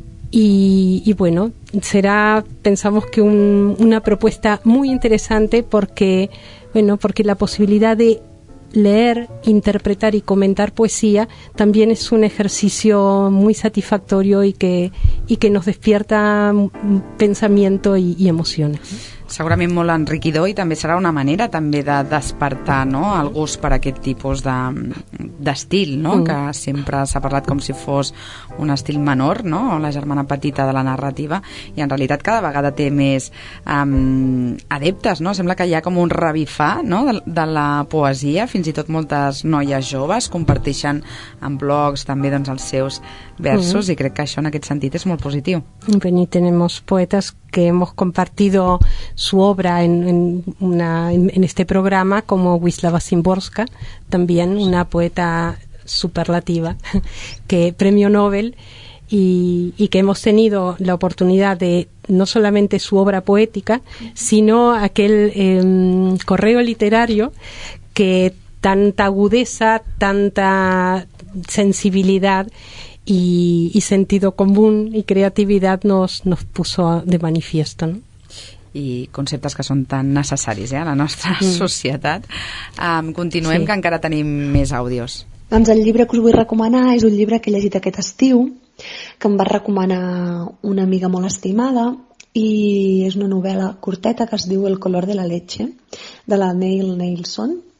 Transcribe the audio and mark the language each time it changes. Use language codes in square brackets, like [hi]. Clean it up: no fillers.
[es] Y bueno, será, pensamos, que una propuesta muy interesante porque la posibilidad de leer, interpretar y comentar poesía también es un ejercicio muy satisfactorio y que nos despierta pensamiento y emociones. [ca] Segurament molt enriquidor, i també serà una manera també de despertar, no?, el gust per aquest tipus d'estil, no? Que sempre s'ha parlat com si fos un estil menor, no?, la germana petita de la narrativa, i en realitat cada vegada té més adeptes, no? Sembla que hi ha com un revifar, no?, de la poesia, fins i tot moltes noies joves comparteixen en blogs també, doncs, els seus versos, i crec que això en aquest sentit és molt positiu. [es] Bueno, tenemos poetas que hemos compartido su obra en este programa, como Wisława Szymborska, también una poeta superlativa, que premio Nobel, y que hemos tenido la oportunidad de no solamente su obra poética, sino aquel correo literario que tanta agudeza, tanta sensibilidad y sentido común y creatividad nos puso de manifiesto, ¿no? [ca] I conceptes que són tan necessaris a la nostra societat. Continuem, sí, que encara tenim més àudios. Doncs el llibre que us vull recomanar és un llibre que he llegit aquest estiu, que em va recomanar una amiga molt estimada, i és una novel·la curteta que es diu El color de la leche, de la Neil Neilson.